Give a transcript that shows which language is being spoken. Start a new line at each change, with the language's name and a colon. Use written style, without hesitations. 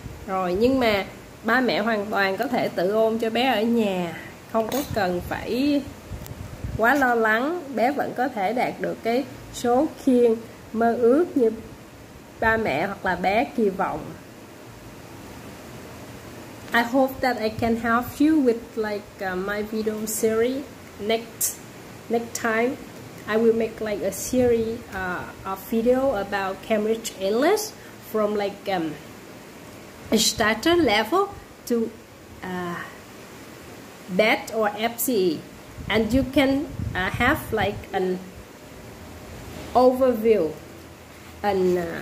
Vietnamese: Rồi nhưng mà ba mẹ hoàn toàn có thể tự ôn cho bé ở nhà, không có cần phải quá lo lắng, bé vẫn có thể đạt được cái số khiên mơ ước như ba mẹ hoặc là bé kỳ vọng.
English: I hope that I can help you with like my video series next time. I will make like a series of video about Cambridge English from like a starter level to BET or FCE, and you can have like an overview and